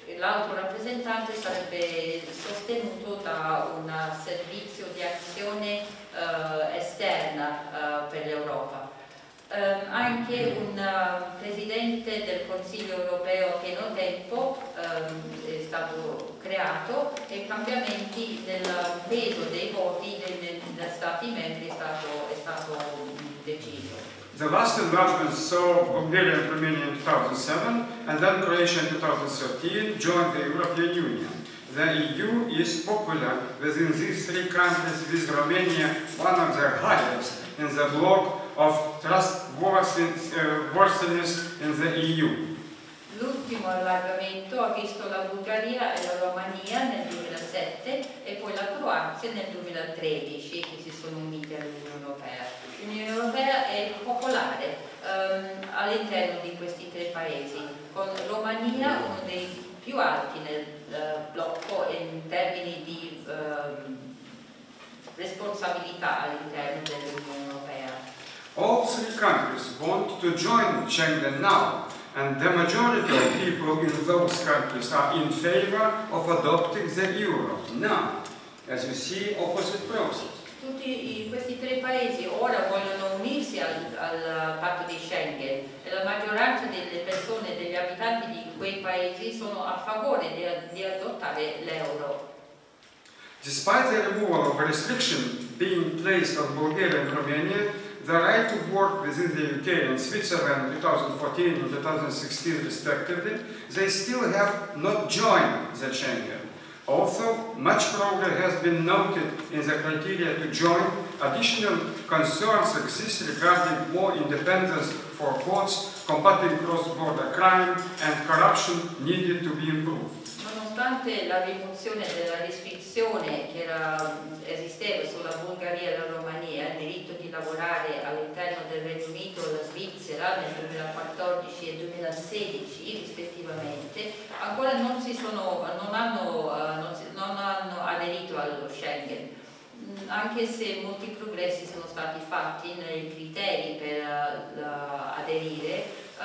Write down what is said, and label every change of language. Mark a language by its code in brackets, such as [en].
[it] l'altro rappresentante sarebbe sostenuto da un servizio di azione esterna per l'Europa. Anche un presidente del Consiglio europeo a pieno tempo è stato creato e cambiamenti nel peso dei voti dei Stati membri è stato deciso. [en] The last enlargement saw Bulgaria and Romania in 2007, and then Croatia in 2013 joined the European Union. The EU is popular within these three countries, with Romania one of the highest in the bloc of trustworthiness in the EU. [it] L'ultimo allargamento ha visto la Bulgaria e la Romania nel 2007 e poi la Croazia nel 2013 che si sono unite all'Unione Europea. L'Unione Europea è popolare all'interno di questi tre paesi, con Romania uno dei più alti nel blocco in termini di responsabilità all'interno dell'Unione Europea. [en] All three countries want to join Schengen now. And the majority of people in those countries are in favor of adopting the euro now, as you see, opposite process. [it] Tutti questi tre paesi ora vogliono unirsi al patto di Schengen e la maggioranza delle persone, degli abitanti di quei paesi sono a favore di adottare l'euro. [en] Despite the removal of restrictions being placed on Bulgaria and Romania, the right to work within the UK and Switzerland 2014 and 2016 respectively, they still have not joined the Schengen. Also, much progress has been noted in the criteria to join. Additional concerns exist regarding more independence for courts, combating cross-border crime and corruption needed to be improved. [it] Nonostante la rimozione della restrizione che esisteva sulla Bulgaria e la Romania, il diritto di lavorare all'interno del Regno Unito e la Svizzera nel 2014 e 2016 rispettivamente, ancora non hanno aderito allo Schengen, anche se molti progressi sono stati fatti nei criteri per aderire.